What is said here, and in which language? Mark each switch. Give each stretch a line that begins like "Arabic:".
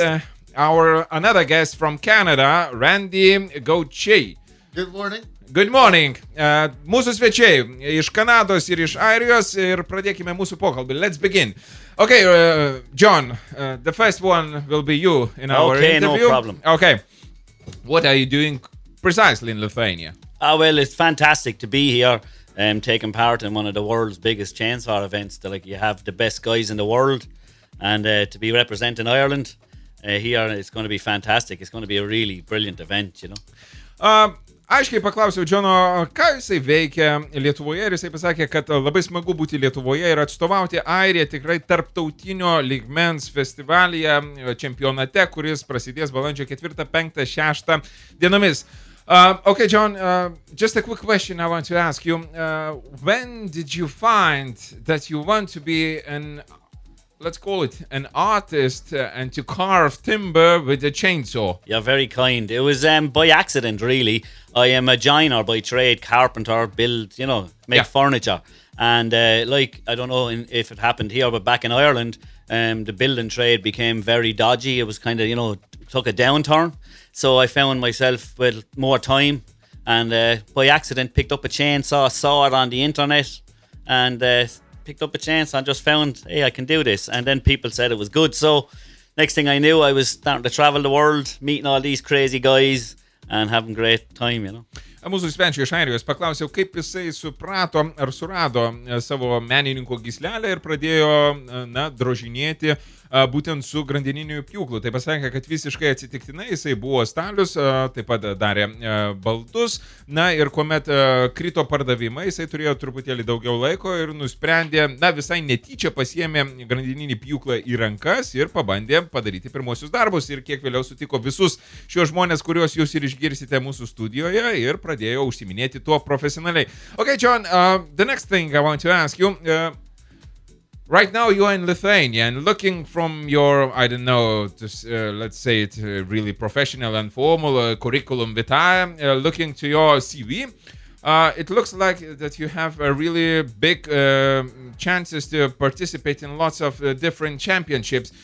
English: and our another guest from Canada, Randy Gauthier. Good morning. Good morning.
Lithuanian: Mūsų svečiai iš Kanados ir iš Airijos ir pradėkime mūsų pokalbį.
English: Let's begin. Okay, John, the first one will be you in our okay, interview. Okay, no problem. Okay. What are you doing precisely in Lithuania? Oh, well, it's fantastic to be here and taking part in one of the world's biggest chainsaw events. You have the best guys in the world and to be representing Ireland here, it's going to be fantastic. It's going to be a really brilliant event, you know.
Lithuanian: Aiškiai paklausiau Džono, ką jisai veikia Lietuvoje ir jisai pasakė, kad labai smagu būti Lietuvoje ir atstovauti Airiją tikrai tarptautinio lygmens festivalyje čempionate, kuris prasidės balandžio 4, 5, 6 dienomis.
English: Okay, John, just a quick question I want to ask you. When did you find that you want to be an, let's call it, an artist and to carve timber with a chainsaw? You're very kind. It was by accident, really. I am a joiner by trade, carpenter, build, you know, make furniture. And I don't know if it happened here, but back in Ireland, the building trade became very dodgy. It was kind of, you know, took a downturn. So I found myself with more time and by accident picked up a chainsaw, saw it on the internet and picked up a chainsaw and just found, hey, I can do this. And then people said it was good. So next thing I knew, I was starting to travel the world, meeting all these crazy guys. And having great time, you know.
Lithuanian: Mūsų svečiui iš Airijos paklausiau, kaip jisai suprato ar surado savo menininko gyslelę ir pradėjo, na, drožinėti būtent su grandininiu pjūklu. Tai pasakė, kad visiškai atsitiktinai jisai buvo stalius, taip pat darė baldus, na, ir kuomet krito pardavimai, jisai turėjo truputėlį daugiau laiko ir nusprendė, na, visai netyčia pasiėmė grandininį pjūklą į rankas ir pabandė padaryti pirmuosius darbus ir kiek vėliau sutiko visus šios žmonės, kuriuos jūs ir išgirsite mūsų studijoje ir pradėjo užsiminėti tuo profesionaliai.
English: Okay, John, the next thing I want to ask you, right now you are in Lithuania and looking from your, I don't know, let's say it really professional and formal curriculum vitae, looking to your CV, it looks like that you have a really big chances to participate in lots of different championships.